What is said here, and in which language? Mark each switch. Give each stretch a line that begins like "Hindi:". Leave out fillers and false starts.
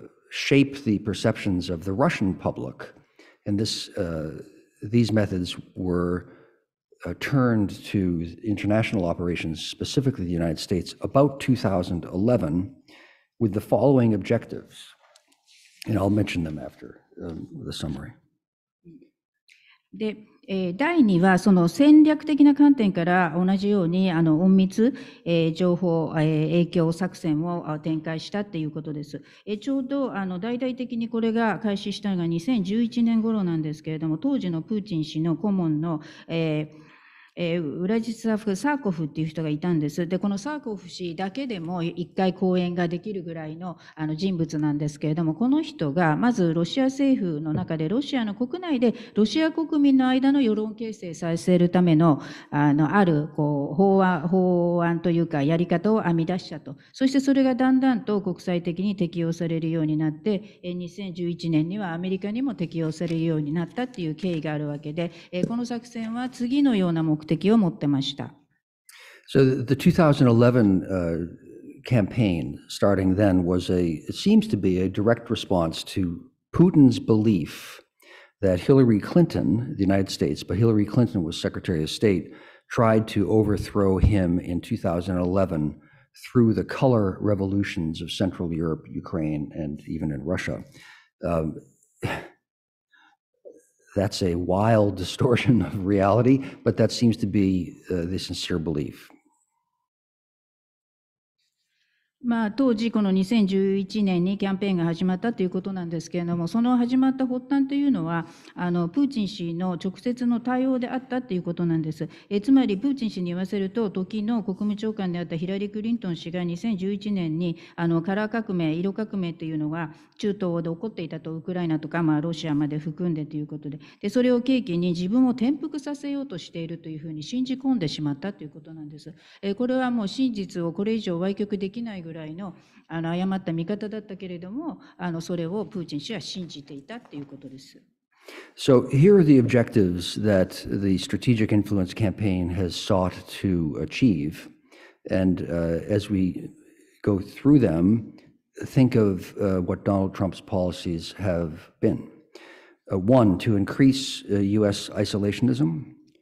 English: shape the perceptions of the Russian public, and these methods were turned to international operations, specifically the United States, about 2011, with the following objectives, and I'll mention them after the summary.
Japanese: で第2はその戦略的な観点から同じように隠密情報影響作戦を展開したということです。ちょうど大々的にこれが開始したのが2011年頃なんですけれども、当時のプーチン氏の顧問のウラジスラフ・サーコフっていう人がいたんです。で、このサーコフ氏だけでも一回講演ができるぐらい の人物なんですけれども、この人がまずロシア政府の中で、ロシアの国内でロシア国民の間の世論形成させるため のあるこう法案というかやり方を編み出したと。そしてそれがだんだんと国際的に適用されるようになって、2011年にはアメリカにも適用されるようになったっていう経緯があるわけで、この作戦は次のような目的を持ってました。
English: So the 2011 campaign starting then was it seems to be a direct response to Putin's belief that Hillary Clinton, the United States, but Hillary Clinton was Secretary of State, tried to overthrow him in 2011 through the color revolutions of Central Europe, Ukraine, and even in Russia. That's a wild distortion of reality, but that seems to be the sincere belief.
Japanese: まあ、当時この2011年にキャンペーンが始まったということなんですけれども、その始まった発端というのはプーチン氏の直接の対応であったということなんです。つまりプーチン氏に言わせると、時の国務長官であったヒラリー・クリントン氏が2011年にカラー革命、色革命というのが中東で起こっていたと、ウクライナとか、まあ、ロシアまで含んでということ でそれを契機に自分を転覆させようとしているというふうに信じ込んでしまったということなんです。これはもう真実をこれ以上歪曲できないぐらい の誤った見方だったけれども、それをプーチン氏は信じていたということです。
English: So here are the objectives that the strategic influence campaign has sought to achieve, and as we go through them, think of what Donald Trump's policies have been. One, to increase US isolationism.